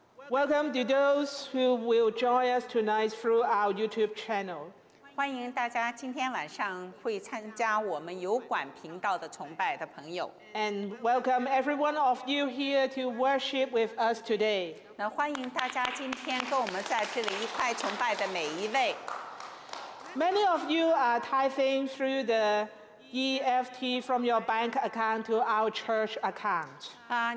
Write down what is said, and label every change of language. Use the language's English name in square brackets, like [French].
[English] Welcome to those who will join us tonight through our YouTube channel. [Chinese] 欢迎大家今天晚上会参加我们油管频道的崇拜的朋友。 [English] And welcome every one of you here to worship with us today. [Chinese] 那欢迎大家今天跟我们在这里一块崇拜的每一位。 [English] Many of you are tithing through the EFT from your bank account to our church account.